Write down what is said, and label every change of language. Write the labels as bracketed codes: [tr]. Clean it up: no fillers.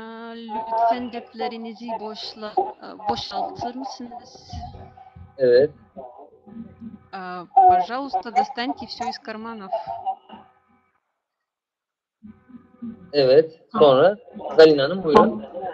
[tr] Lütfen deplerinizi boşaltır mısınız? Evet. [ru] Пожалуйста, достаньте все из карманов. [tr] Evet. Sonra Galina Hanım, buyurun.